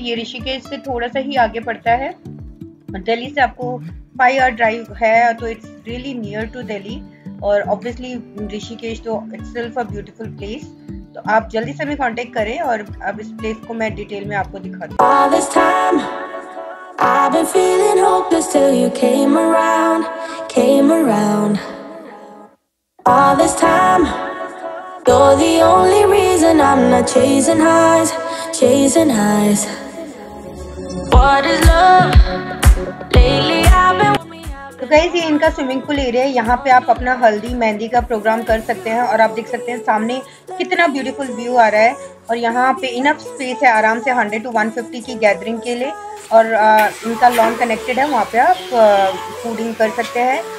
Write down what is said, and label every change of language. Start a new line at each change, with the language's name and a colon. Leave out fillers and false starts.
Hindi: ये ऋषिकेश से थोड़ा सा ही आगे पड़ता है, दिल्ली से आपको 5 hour ड्राइव है, तो
English: It's really near to Delhi.
Hindi: और ऑब्वियसली ऋषिकेश तो
English: itself a beautiful place,
Hindi: तो आप जल्दी से हमें कॉन्टेक्ट करें। और अब इस प्लेस को मैं डिटेल में आपको दिखा दूँ।
English: I've been feeling hopeless till you came around, came around. All this time, you're the only reason I'm not chasing highs, chasing highs. What is love? Lately I've been.
Hindi: तो guys ये इनका swimming pool area है, यहाँ पे आप अपना हल्दी मेहंदी का प्रोग्राम कर सकते हैं। और आप देख सकते हैं सामने कितना ब्यूटीफुल व्यू आ रहा है। और यहाँ पे इनफ स्पेस है आराम से 100-150 की गैदरिंग के लिए। और इनका लॉन कनेक्टेड है, वहाँ पे आप फूडिंग कर सकते हैं।